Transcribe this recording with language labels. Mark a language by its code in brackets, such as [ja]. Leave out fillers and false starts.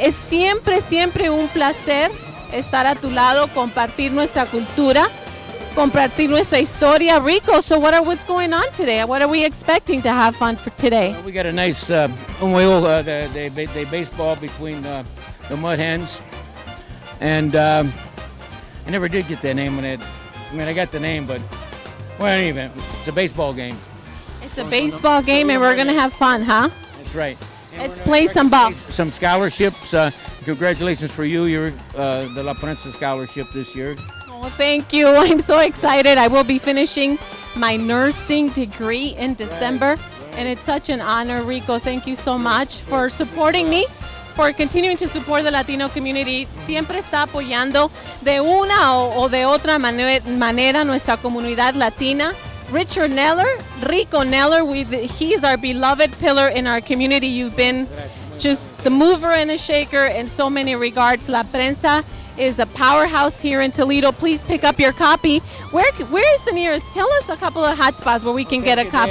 [es] Es siempre, siempre un placer estar a tu lado, compartir nuestra cultura, compartir nuestra historia. [en] Rico, so what's going on today? What are we expecting to have fun for today? Well, we got a nice [es] juego de [en] baseball between the Mudhens. And I never did get that name on it. I mean, I got the name, but well, anyway, it's a baseball game. It's a baseball game, and we're going to have fun, huh? That's right. Let's play some ball. Some scholarships. Congratulations for you. You're the La Prensa scholarship this year. Oh, thank you. I'm so excited. I will be finishing my nursing degree in December. Right. And it's such an honor, Rico. Thank you so much for supporting me, for continuing to support the Latino community. [es] Siempre está apoyando de una o de otra manera nuestra comunidad latina. [en] Richard Neller, Rico Neller, he's our beloved pillar in our community. You've been just the mover and a shaker in so many regards. La Prensa is a powerhouse here in Toledo. Please pick up your copy. Where is the nearest? Tell us a couple of hot spots where we can get a copy.